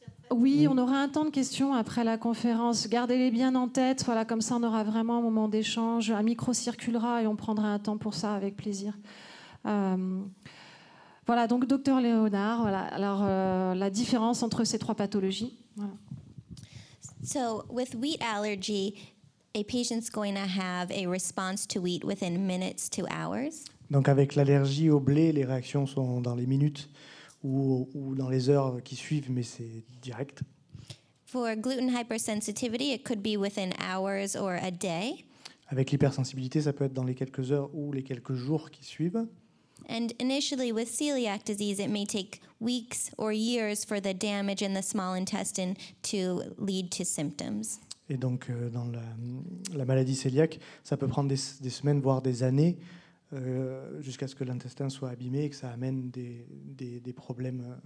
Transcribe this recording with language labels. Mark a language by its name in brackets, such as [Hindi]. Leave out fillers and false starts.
[French] Oui, on aura un temps de questions après la conférence. Gardez-les bien en tête, voilà, comme ça on aura vraiment un moment d'échange. Un micro circulera et on prendra un temps pour ça avec plaisir. Voilà, donc docteur Léonard, voilà, alors, la différence entre ces trois pathologies. Voilà. [English] So, with wheat allergy, a patient's going to have a response to wheat within minutes to hours. [French] Donc avec l'allergie au blé, les réactions sont dans les minutes ou dans les heures qui suivent, mais c'est direct. [English] For gluten hypersensitivity, it could be within hours or a day. [French] Avec l'hypersensibilité, ça peut être dans les quelques heures ou les quelques jours qui suivent. [English] And initially with celiac disease, it may take weeks or years for the damage in the small intestine to lead to symptoms. [French] Et donc dans la maladie cœliaque, ça peut prendre des semaines voire des années jusqu'à ce que l'intestin soit abîmé et que ça amène des problèmes.